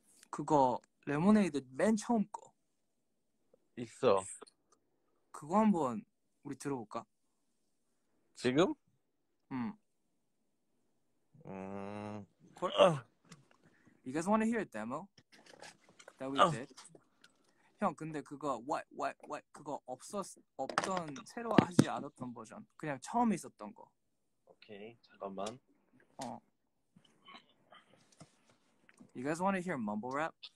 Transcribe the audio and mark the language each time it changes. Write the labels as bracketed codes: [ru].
[ko] 그거 레모네이드 맨 처음 거. 있어. 그거 한번 우리 들어볼까? 지금? 응. [en] You guys want to hear a demo that we did? [ko] 형 근데 그거 what 그거 없던 새로 하지 않았던 버전. 그냥 처음 있었던 거. 오케이 잠깐만. 어. [en] You guys want to hear mumble rap?